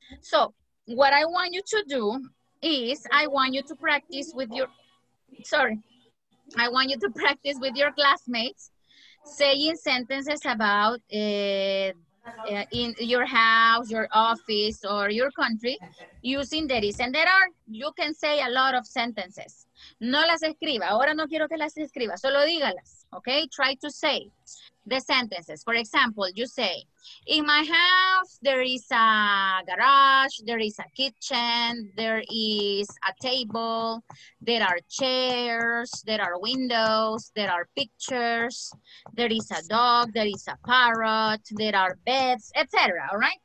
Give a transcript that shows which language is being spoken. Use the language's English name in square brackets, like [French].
[English] So, what I want you to do is, I want you to practice with your, I want you to practice with your classmates saying sentences about in your house, your office, or your country using there is and there are. You can say a lot of sentences. [Spanish] No las escriba, ahora no quiero que las escriba, solo dígalas, okay? [English] Try to say the sentences. For example, you say, in my house, there is a garage, there is a kitchen, there is a table, there are chairs, there are windows, there are pictures, there is a dog, there is a parrot, there are beds, etc. All right?